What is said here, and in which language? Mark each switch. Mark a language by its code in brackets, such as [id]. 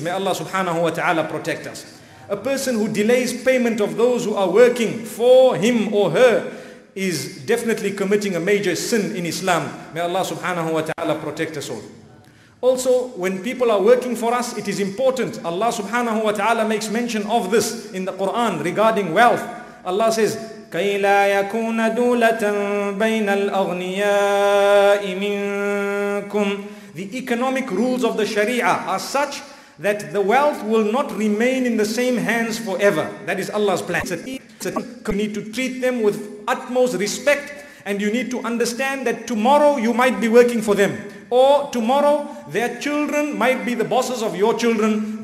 [en] May Allah subhanahu wa ta'ala protect us. A person who delays payment of those who are working for him or her is definitely committing a major sin in Islam. May Allah subhanahu wa ta'ala protect us all. Also, when people are working for us, it is important. Allah subhanahu wa ta'ala makes mention of this in the Quran regarding wealth. [ar] Allah says, كَيْ لَا يَكُونَ دُولَةً بَيْنَ الْأَغْنِيَاءِ مِنْكُمْ. [en] The economic rules of the Sharia are such that the wealth will not remain in the same hands forever. That is Allah's plan. You need to treat them with utmost respect. And you need to understand that tomorrow you might be working for them. Or tomorrow, their children might be the bosses of your children.